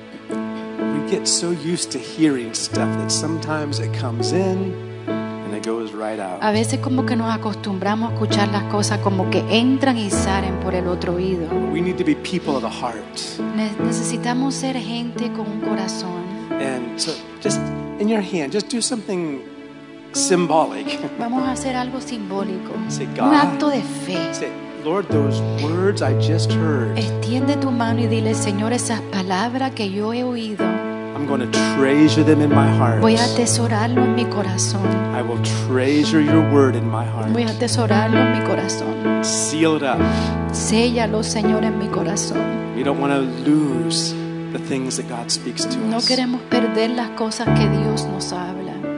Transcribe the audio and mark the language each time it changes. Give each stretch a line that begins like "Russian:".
English: We get so used to hearing stuff that sometimes it comes in and it goes right out.
Spanish: A veces como que nos acostumbramos a escuchar las cosas como que entran y salen por el otro oído.
English: We need to be people of the heart.
Spanish: Necesitamos ser gente con un corazón.
English: And so just in your hand, just do something symbolic.
Spanish: Vamos a hacer algo simbólico.
English: Say, God,
Spanish: un acto de fe.
English: Say, Lord, those words I just heard.
Spanish: Extiende tu mano y dile, Señor, esas palabras que yo he oído.
English: I'm going to treasure them in my heart.
Spanish: Voy a atesorarlo en mi corazón.
English: I will treasure your word in my heart.
Spanish: Voy a atesorarlo en mi corazón.
English: Seal it up.
Spanish: Séllalo, Señor, en mi corazón.
English: We don't want to lose the things that God speaks to us.
Spanish: No queremos perder las cosas que Dios nos habla.